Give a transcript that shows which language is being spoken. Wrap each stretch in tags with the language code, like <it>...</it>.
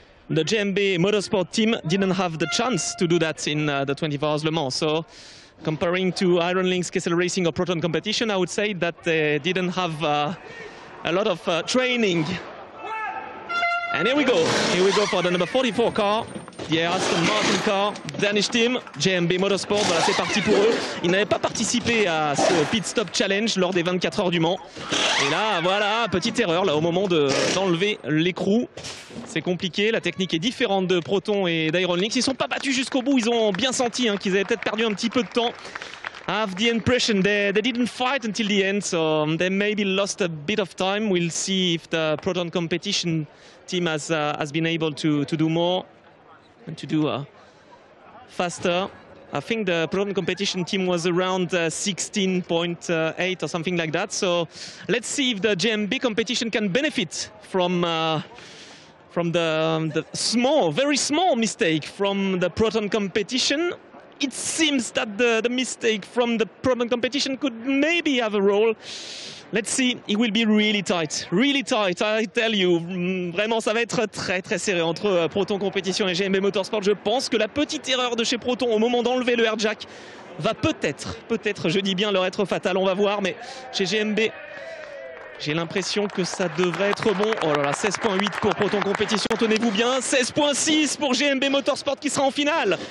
<en>The GMB Motorsport team didn't have the chance to do that in the 24 Hours Le Mans. So comparing to Ironlink, Kessel Racing or Proton competition, I would say that they didn't have a lot of training. And here we go for the number 44 car. Yeah, Aston Martin car, Danish team, GMB Motorsport,</en> <fr>voilà, c'est parti pour eux. Ils n'avaient pas participé à ce pit stop challenge lors des 24 heures du Mans. Et là, voilà, petite erreur là au moment d'enlever l'écrou. C'est compliqué, la technique est différente de Proton et d'Ironlink. Ils ne sont pas battus jusqu'au bout, ils ont bien senti hein, qu'ils avaient peut-être perdu un petit peu de temps.</fr> <en>I have the impression they didn't fight until the end, so they maybe lost a bit of time. We'll see if the Proton competition team has been able to do more. And to do faster. I think the Proton competition team was around 16.8 or something like that. So let's see if the GMB competition can benefit from the small, very small mistake from the Proton competition. It seems that the mistake from the Proton competition could maybe have a role. Let's see, it will be really tight, really tight, I tell you.</en> <fr>Vraiment, ça va être très très serré entre Proton Competition et GMB Motorsport. Je pense que la petite erreur de chez Proton au moment d'enlever le air jack va peut-être, peut-être, je dis bien, leur être fatal. On va voir, mais chez GMB, j'ai l'impression que ça devrait être bon. Oh là là, 16.8 pour Proton Compétition, tenez-vous bien. 16.6 pour GMB Motorsport qui sera en finale.</fr>